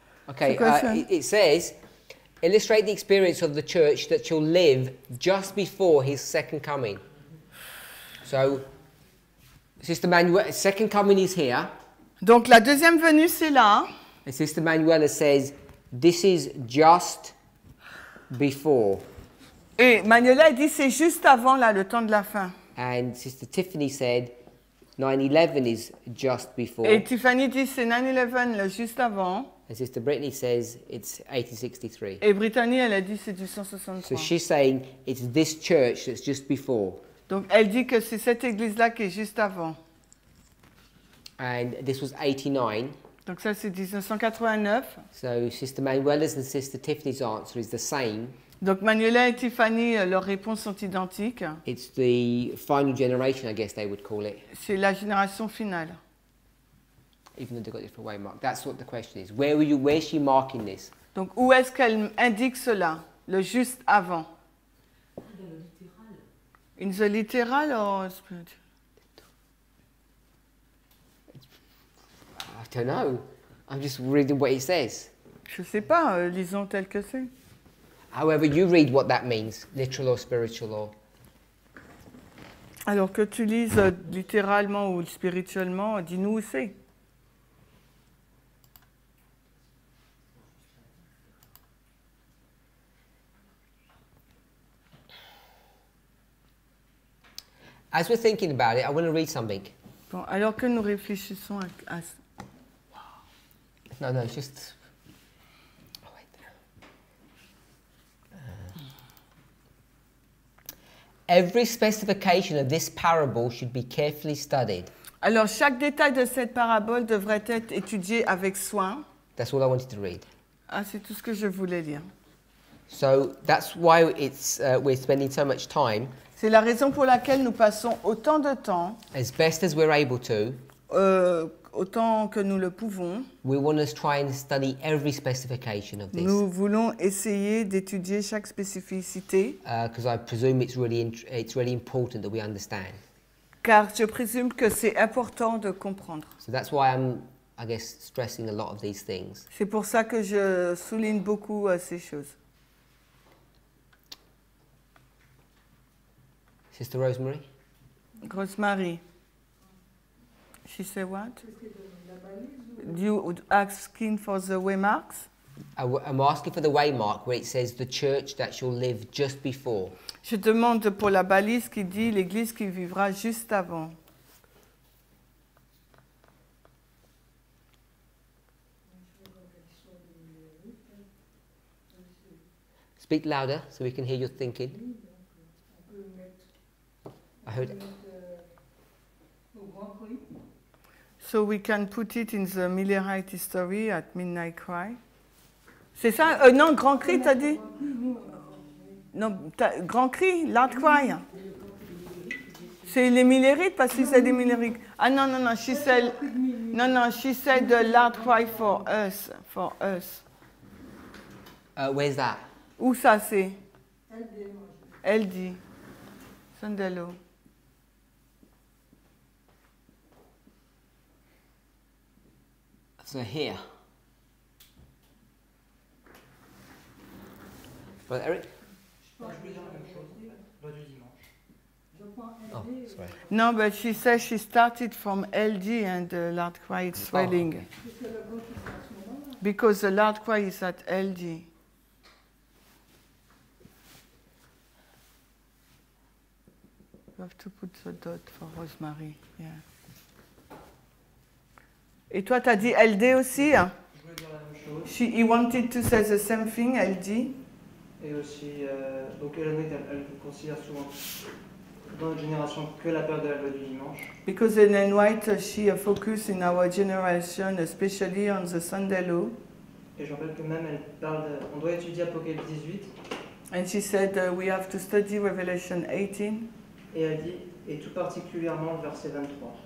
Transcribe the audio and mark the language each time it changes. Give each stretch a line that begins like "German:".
English: Okay, it says, illustrate the experience of the church that shall live just before his second coming. So, Sister Manuela, second coming is here.
French: Donc la deuxième venue, c'est là.
English: And Sister Manuela says, this is just before.
French: Et Manuela dit, c'est juste avant là, le temps de la fin.
English: And Sister Tiffany said, 9/11 is just before.
French: Et Tiffany dit, c'est 9/11, là, juste avant.
English: And Sister Brittany says, it's 1863.
French: Et Brittany, elle a dit, c'est 1863.
English: So she's saying, it's this church that's just before.
French: Donc, elle dit que c'est cette église-là qui est juste avant.
English: And this was 89.
French: Donc, ça, c'est 1989.
English: So Sister Manuela's and Sister Tiffany's answer is the same.
French: Donc Manuela et Tiffany, leurs réponses sont identiques.
English: It's the final generation, I guess they would call it.
French: C'est la génération finale.
English: Even though they got a different way mark. That's what the question is. Where is she marking this?
French: Donc où est-ce qu'elle indique cela, le juste avant?
English: In the literal. In the literal, or? I don't know. I'm just reading what he says.
French: Je ne sais pas. Lisons tel que c'est.
English: However you read what that means, literal or spiritual or.
French: Alors que tu lises littéralement ou spirituellement, dis-nous où c'est.
English: As we're thinking about it, I want to read something.
French: Bon, alors que nous réfléchissons à ça.
English: No, it's just... Every specification of this parable should be carefully studied.
French: Alors, chaque détail de cette parabole devrait être étudié avec soin.
English: That's all I wanted to read.
French: Ah, c'est tout ce que je voulais lire.
English: So, that's why it's we're spending so much time.
French: C'est la raison pour laquelle nous passons autant de temps.
English: As best as we're able to.
French: Autant que nous le pouvons.
English: We want to try and study every specification of this.
French: Nous voulons essayer d'étudier chaque spécificité.
English: Because I presume it's really important that we understand.
French: Car je présume que c'est important de comprendre.
English: So that's why I'm, I guess, stressing a lot of these things.
French: C'est pour ça que je souligne beaucoup ces choses.
English: Sister Rosemary. Rosemary. She said what? You asking for the waymarks? I'm asking for the waymark where it says the church that shall live just before.
French: Je demande pour la balise qui dit l'église qui vivra juste avant.
English: Speak louder so we can hear your thinking. I heard. So we can put it in the Millerite history at Midnight Cry.
French: C'est ça? Non, Grand Cri, t'as dit? Non, t'as, Grand Cri, Loud Cry. C'est les Millerites, parce que c'est des Millerites. Ah non, non, non,
English: she said.
French: Non, non,
English: she said the Loud Cry for us. For us. Where's that?
French: Où ça c'est? Elle dit. Sandello.
English: So here. Brother Eric? Oh, sorry. No, but she says she started from LD and the Loud Cry is swelling. Because the Loud Cry is at LD. You have to put the dot for Rosemary, yeah.
French: Et toi, t'as dit LD aussi? Je voulais dire la même chose.
English: He wanted to say the same thing, LD.
French: Et aussi, donc Hélène, elle considère souvent dans notre génération que la peur de la loi du dimanche.
English: Because Hélène White, she focus in our generation, especially on the Sunday law.
French: Et je rappelle que même, elle parle de, on doit étudier Apocalypse 18.
English: And she said we have to study Revelation 18.
French: Et elle dit, et tout particulièrement le verset 23.